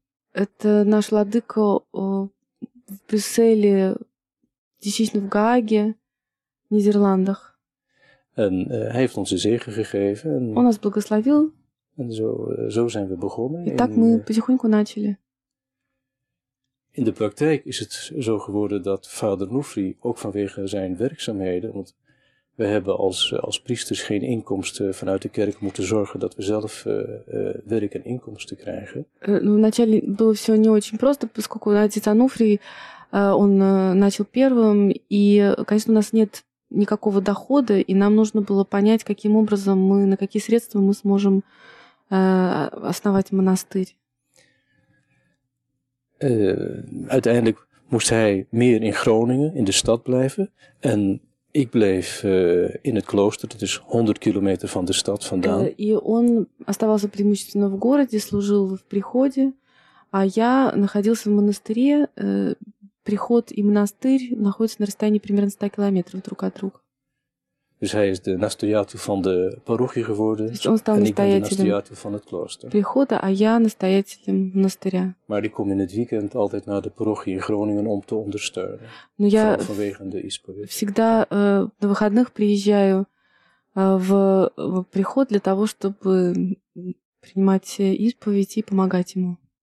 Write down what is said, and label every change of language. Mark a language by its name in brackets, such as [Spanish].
[Russian] Het наш Владыка в Брюсселе, действительно в Гааге, в Нидерландах. [Dutch] En hij heeft ons de zegen gegeven. En, [Russian] он нас благословил. [Dutch] En zo zijn we begonnen. [Russian] И так мы потихоньку начали. [Dutch] In de praktijk is het zo geworden dat vader Onofri ook vanwege zijn werkzaamheden, want we hebben als priesters geen inkomsten vanuit de kerk moeten zorgen dat we zelf werk en inkomsten krijgen. [Russian] Ну, вначале было все не очень просто, поскольку отец Онуфри, он начал первым, и, конечно, у нас нет никакого дохода, и нам нужно было понять, каким образом мы, на какие средства мы сможем основать монастырь. [Dutch] Uiteindelijk moest hij meer in Groningen, in de stad blijven, en ik bleef in het klooster, dat is 100 kilometer van de stad vandaan. [Russian] И он оставался преимущественно в городе, служил в приходе, а я находился в монастыре. Приход и монастырь находятся на расстоянии примерно 100 километров друг от друга. [Dutch] Dus hij is de настоятел van de parochie geworden. [Russian] То есть он стал настоятелем прихода, а я настоятелем монастыря. [Dutch] Maar ik kom in het weekend altijd naar de parochie in Groningen om te ondersteunen. Vanwege de исповедь. [Russian] Всегда на выходных приезжаю в приход для того, чтобы принимать исповедь и помогать ему.